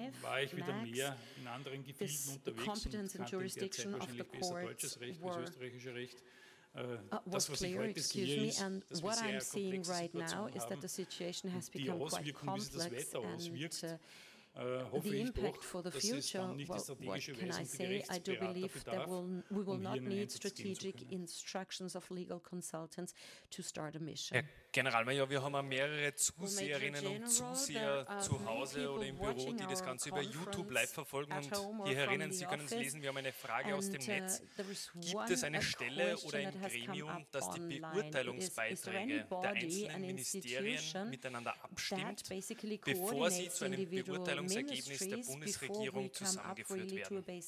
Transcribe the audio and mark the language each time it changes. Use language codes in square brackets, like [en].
[de] Und ab dann war ich wieder mehr in anderen Gebieten unterwegs und kannte in der Zeit wahrscheinlich besser deutsches Recht als österreichisches Recht. [en] Was clear, excuse me, and what I'm seeing right now is that the situation has become quite complex and the impact for the future, well, what can I say? I do believe that we will not need strategic instructions of legal consultants to start a mission. [de] Generalmajor, wir haben mehrere Zuseherinnen und Zuseher zu Hause oder im Büro, die das Ganze über YouTube live verfolgen und hierherinnen. Sie können es lesen. Wir haben eine Frage aus dem Netz. Gibt es eine Stelle oder ein Gremium, das die Beurteilungsbeiträge der einzelnen Ministerien miteinander abstimmt, bevor sie zu einem Beurteilungsergebnis der Bundesregierung zusammengeführt werden?